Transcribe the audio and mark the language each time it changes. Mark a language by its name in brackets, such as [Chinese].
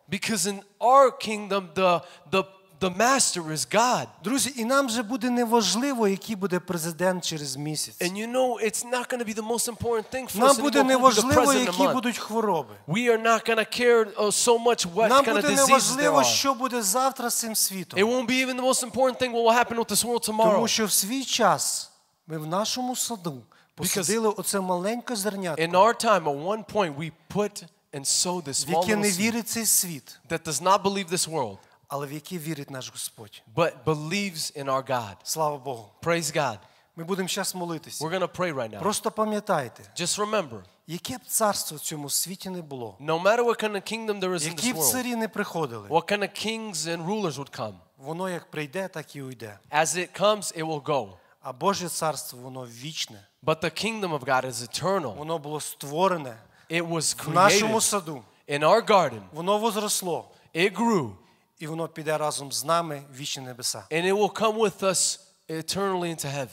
[English] Because in our kingdom the master is God. [Ukrainian] Друзі, і нам же буде неважливо, який буде президент через місяць. [English] And you know, it's not going to be the most important thing for us. [Ukrainian] Нам буде неважливо, які будуть хвороби. [English] We are not going to care so much what kind of diseases there are. [Ukrainian] Нам буде неважливо, що буде завтра з цим світом. [English] It won't be even the most important thing what will happen with this world tomorrow. [Ukrainian] Тому що в свій час ми в нашому саду посадили оце маленьке зернятко. [English] In our time, at one point, we put and sowed this small seed. [Ukrainian] В яке не вірить цей світ. [English] That does not believe this world. [Ukrainian] Але в яке вірить наш Господь. [English] But believes in our God. [Ukrainian] Слава Богу. [English] Praise God. [Ukrainian] Ми будемо зараз молитись. [English] We're going to pray right now. [Ukrainian] Просто пам'ятайте. [English] Just remember. [Ukrainian] Яке б царство в цьому світі не було. [English] No matter what kind of kingdom there is in this world. [Ukrainian] Які б царі не приходили. [English] What kind of kings and rulers would come. [Ukrainian] Воно як прийде, так і уйде. [English] As it comes, it will go. [Ukrainian] А Боже царство, воно вічне. [English] But the kingdom of God is eternal. [Ukrainian] Воно було створене. [English] It was created. [Ukrainian] В нашому саду. [English] In our garden. [Ukrainian] Воно возросло. [English] It grew. [Ukrainian] І воно піде разом з нами в вічні небеса. [English] And it will come with us eternally into heaven.